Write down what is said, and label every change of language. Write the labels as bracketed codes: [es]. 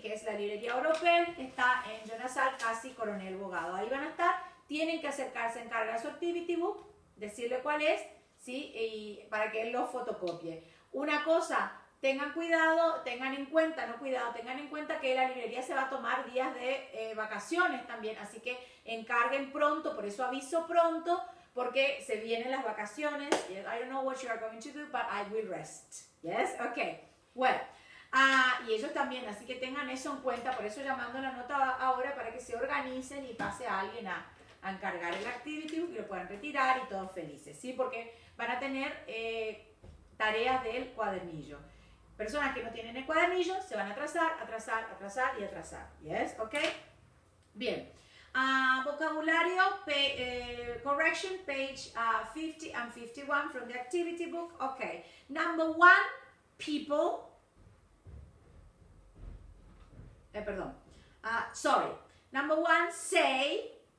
[es] Que es la librería Oropel, está en Jonasal, casi Coronel Bogado, ahí van a estar, tienen que acercarse a encargar su activity book, decirle cuál es, ¿sí? Y para que él lo fotocopie. Una cosa, tengan en cuenta que la librería se va a tomar días de vacaciones también, así que encarguen pronto, por eso aviso pronto, porque se vienen las vacaciones. [en] I don't know what you are going to do, but I will rest. Yes? Okay. [es] Well, y ellos también, así que tengan eso en cuenta, por eso llamando la nota ahora para que se organicen y pase a alguien a encargar el activity book y lo puedan retirar y todos felices, ¿sí? Porque van a tener tareas del cuadernillo. Personas que no tienen el cuadernillo se van a atrasar, atrasar, atrasar y atrasar, ¿yes? ¿Ok? Bien. [en] Vocabulario, correction, page 50 and 51 from the activity book. Ok. Number one, people. Perdón. Sorry. Number one, say.